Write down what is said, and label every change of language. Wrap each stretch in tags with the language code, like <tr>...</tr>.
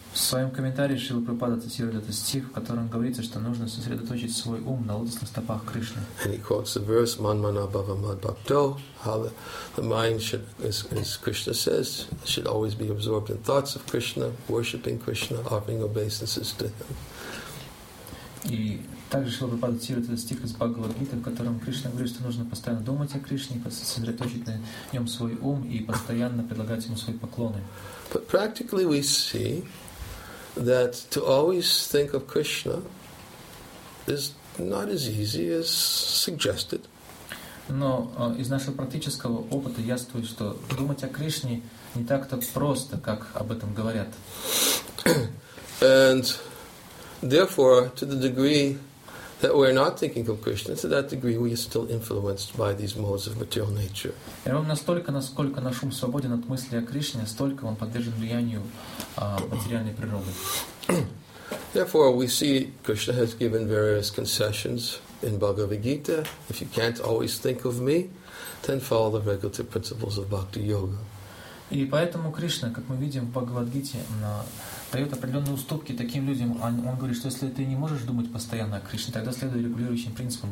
<ru>В своем комментарии Шрила Прабхупада цитирует этот стих, в котором говорится, что нужно сосредоточить свой ум на лотосных стопах Кришны.</ru> <en>And he quotes the verse,</en> <sa>Man Mana Bhava Mad Bhakto,</sa> <en>how the mind should, as Krishna says, should always be absorbed in thoughts of Krishna, worshipping Krishna, offering obeisances to him.</en> <ru>И также Шрила Прабхупада цитирует этот стих из Бхагавад-гиты, в котором Кришна говорит, что нужно постоянно думать о Кришне, сосредоточить на нем свой ум и постоянно предлагать ему свои поклоны.</ru> <en>But practically we see that to always think of Krishna is not as easy as suggested.</en> <ru>Но из нашего практического опыта яствую, что думать о Кришне не так-то просто, как об этом говорят.</ru> <en>And therefore, to the degree that we are not thinking of Krishna, to that degree we are still influenced by these modes of material nature.</en> <ru>И ровно настолько, насколько наш ум свободен от мысли о Кришне, столько он подвержен влиянию материальной природы.</ru> <en>Therefore, we see Krishna has given various concessions in Bhagavad Gita. If you can't always think of me, then follow the regulative principles of Bhakti Yoga.</en> <ru>И поэтому Кришна, как мы видим в Бхагавад-гите, дает определенные уступки таким людям. Он говорит, что если ты не можешь думать постоянно о Кришне, тогда следуй регулирующим принципам</ru>